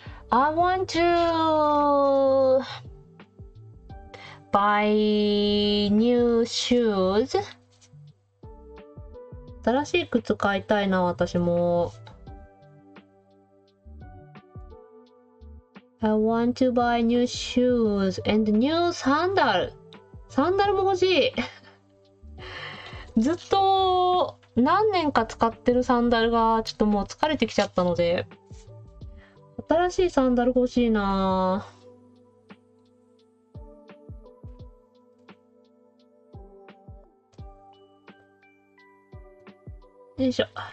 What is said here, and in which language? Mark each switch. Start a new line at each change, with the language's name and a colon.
English: I want to buy new shoes.
Japanese: 新しい靴買いたいな、私も。
English: I want to buy new shoes and new sandal.
Japanese: サンダルも欲しい。ずっと何年か使ってるサンダルがちょっともう疲れてきちゃったので。新しいサンダル欲しいなぁ。よいしょ。